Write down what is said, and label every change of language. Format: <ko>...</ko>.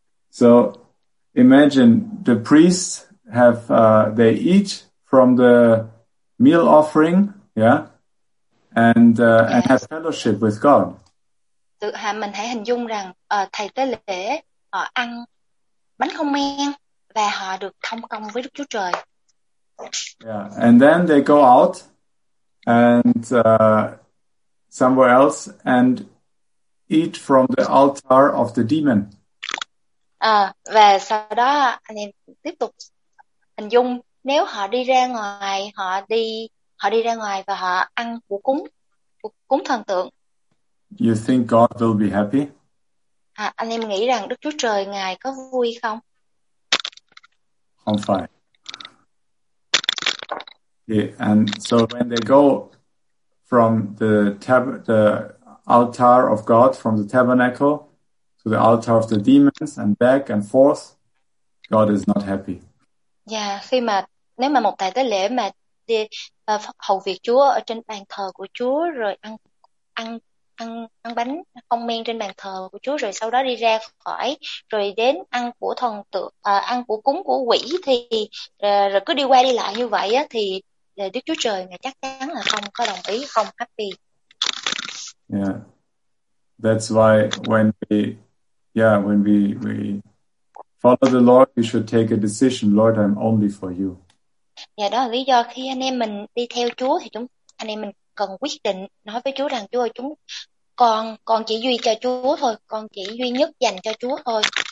<en>So imagine the priests have, they eat from the meal offering, yeah, and have fellowship with God.</en> <vi>Tự hà mình hãy hình dung rằng thầy tế lễ họ ăn bánh không men và họ được thông công với Đức Chúa Trời.</vi> <en>Yeah, and then they go out and somewhere else and eat from the altar of the demon.</en> <vi>Và sau đó anh em tiếp tục hình dung nếu họ đi ra ngoài, họ đi ra ngoài và họ ăn của cúng thần tượng.</vi> <en>You think God will be happy?</en> <vi>Anh em nghĩ rằng Đức Chúa Trời Ngài có vui không? Không phải.</vi> <en>Yeah, and so when they go from the altar of God, from the tabernacle to the altar of the demons and back and forth, God is not happy.</en> <vi>Yeah, khi mà nếu mà một thầy tế lễ mà đi hầu việc Chúa ở trên bàn thờ của Chúa rồi ăn bánh không men trên bàn thờ của Chúa rồi sau đó đi ra khỏi rồi đến ăn của thần tượng ăn của cúng của quỷ thì rồi cứ đi qua đi lại như vậy á thì Đức Chúa Trời Ngài chắc chắn là không có đồng ý, không happy.</vi> <en>Yeah, that's why when we follow the Lord, we should take a decision. Lord, I'm only for you.</en> <vi>Yeah, đó là lý do khi anh em mình đi theo Chúa thì anh em mình cần quyết định nói với Chúa rằng Chúa ơi, chúng con chỉ duy cho Chúa thôi, con chỉ duy nhất dành cho Chúa thôi.</vi>